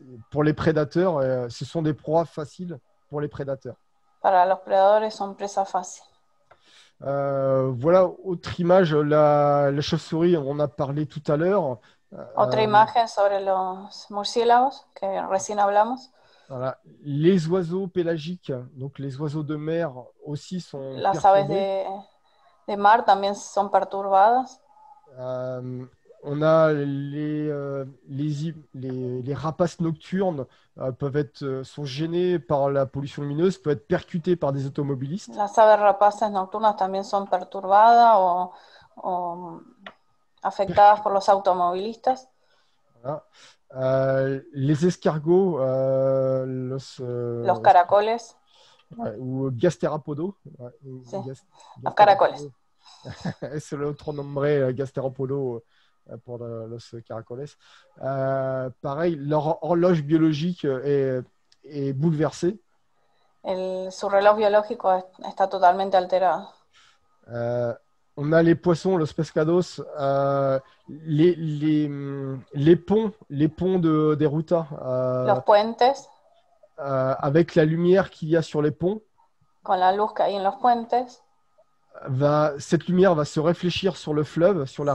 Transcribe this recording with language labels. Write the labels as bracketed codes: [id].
[fr] Pour les prédateurs, ce sont des proies faciles pour les prédateurs. [es] Para los predadores son presa fácil. [fr] Voilà, autre image, la chauve-souris, on en a parlé tout à l'heure. [es] Otra imagen sobre los murciélagos que recién hablamos. [fr] Voilà. Les oiseaux pélagiques, donc les oiseaux de mer aussi, sont [es] Las aves [fr] perturbés. [es] de mar también son perturbadas. [fr] On a les rapaces nocturnes peuvent être sont gênés par la pollution lumineuse, peuvent être percutés par des automobilistes. [es] Las aves rapaces nocturnas también son perturbadas o afectadas por los automovilistas. [fr] Voilà. Les escargots, [es] Los caracoles. [fr] ouais, ou gastéropodo, ouais, [es] Sí, los caracoles. gastéropodo. [fr] C'est l'autre nommé gastéropodo pour l'os caracolès. Pareil, leur horloge biologique est bouleversée. [es] Su reloj biológico está totalmente alterado. [fr] On a les poissons, [es] los pescados, [fr] les ponts de Ruta, [es] Los puentes. [fr] avec la lumière qu'il y a sur les ponts. [es] Con la luz que hay en los puentes, [fr] Cette lumière va se réfléchir sur le fleuve, sur la